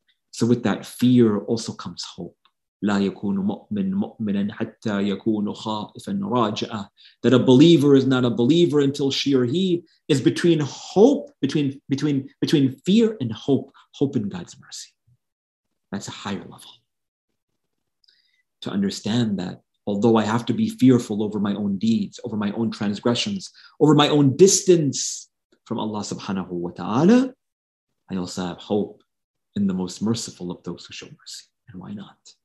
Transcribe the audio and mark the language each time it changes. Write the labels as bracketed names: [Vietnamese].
[English] So with that fear also comes hope. [Arabic] لا يكون مؤمن مؤمنا حتى يكون خائفا راجعا. [English] That a believer is not a believer until she or he is between hope, between fear and hope. Hope in God's mercy. That's a higher level. To understand that although I have to be fearful over my own deeds, over my own transgressions, over my own distance from Allah subhanahu wa ta'ala, I also have hope in the most merciful of those who show mercy. And why not?